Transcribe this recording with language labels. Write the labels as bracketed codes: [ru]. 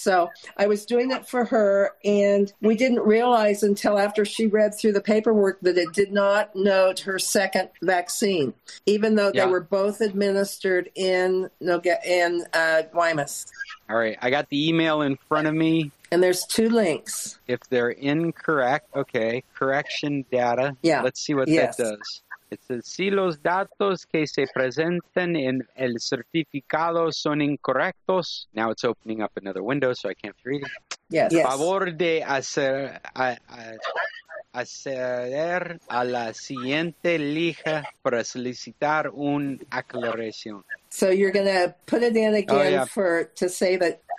[en] So I was doing it for her, and we didn't realize until after she read through the paperwork that it did not note her second vaccine, even though they were both administered in Guaymas. All right. I got the email in front of me. And there's two links. If they're incorrect, okay, correction data. Yeah. Let's see what that does. It says, [es] si los datos que se presentan en el certificado son incorrectos. [en] Now it's opening up another window, so I can't read it. Yes. [es] Favor de hacer, acceder a la siguiente lija para solicitar un aclaración. [en] So you're going to put it in again for to save it.